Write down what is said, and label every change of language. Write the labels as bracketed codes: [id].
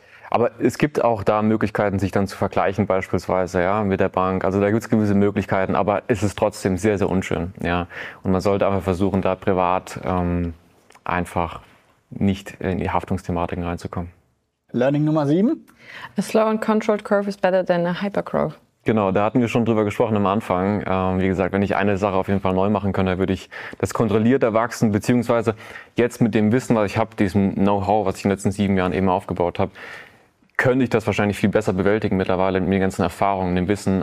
[de] Aber es gibt auch da Möglichkeiten, sich dann zu vergleichen beispielsweise, ja, mit der Bank. Also da gibt es gewisse Möglichkeiten, aber es ist trotzdem sehr, sehr unschön. Ja. Und man sollte einfach versuchen, da privat einfach nicht in die Haftungsthematiken reinzukommen. Learning Nummer 7. [en] A slow and controlled curve is better than a hypergrowth. [de] Genau, da hatten wir schon drüber gesprochen am Anfang. Wie gesagt, wenn ich eine Sache auf jeden Fall neu machen könnte, würde ich das kontrollierter wachsen, beziehungsweise jetzt mit dem Wissen, was ich habe, diesem Know-how, was ich in den letzten 7 Jahren eben aufgebaut habe, könnte ich das wahrscheinlich viel besser bewältigen mittlerweile mit den ganzen Erfahrungen, dem Wissen.